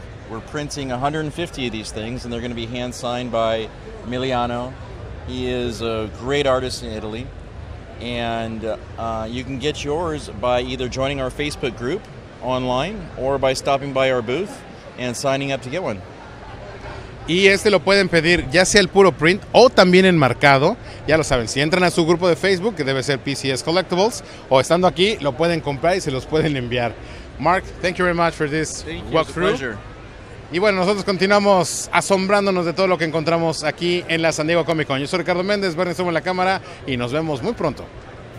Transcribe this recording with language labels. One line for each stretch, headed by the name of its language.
English: We're printing 150 of these things, and they're going to be hand-signed by Emiliano. He is a great artist in Italy. And you can get yours by either joining our Facebook group online or by stopping by our booth and signing up to get one.
Spanish: Y este lo pueden pedir ya sea el puro print o también enmarcado. Ya lo saben, si entran a su grupo de Facebook, que debe ser PCS Collectibles, o estando aquí, lo pueden comprar y se los pueden enviar.
English: Mark, thank you very much for this walkthrough.
Spanish: Y bueno, nosotros continuamos asombrándonos de todo lo que encontramos aquí en la San Diego Comic Con. Yo soy Ricardo Méndez, Bernie Sumo en la cámara, y nos vemos muy pronto.